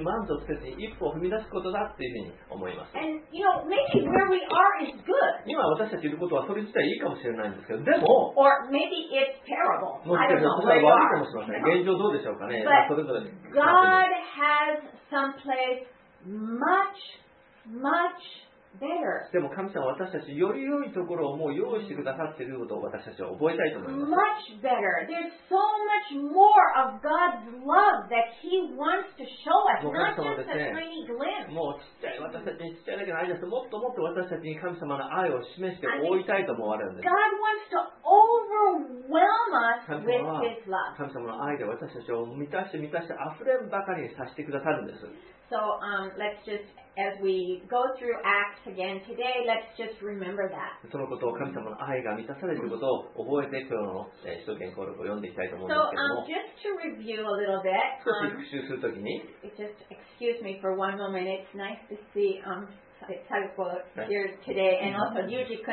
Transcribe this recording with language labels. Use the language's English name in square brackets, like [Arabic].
[English] And you know, maybe where we are is good. Or maybe it's terrible. God has some place much, much better. [Japanese] でも神様は私たちより良いところをもう用意してくださっていることを私たちは覚えたいと思います。 [English] Much better. There's so much more of God's love that He wants to show us, not just a tiny glimpse. [Japanese] もうちっちゃい私たちにちっちゃいだけの愛です。もっともっと私たちに神様の愛を示して覆いたいと思われるんです。 [English] God wants to overwhelm us with His love. [Japanese] 神様の愛で私たちを満たして満たして溢れんばかりにさせてくださるんです。 [English] So let's just, as we go through Acts again today, let's just remember that. [Japanese] そのことを神様の愛が満たされていることを覚えて今日の使徒行伝を読んでいきたいと思うんですけども。 [English] So just to review a little bit. [Japanese] 少し復習するときに。 [English] Just excuse me for one moment. It's nice to see Saguko here today, and also Yuji-kun.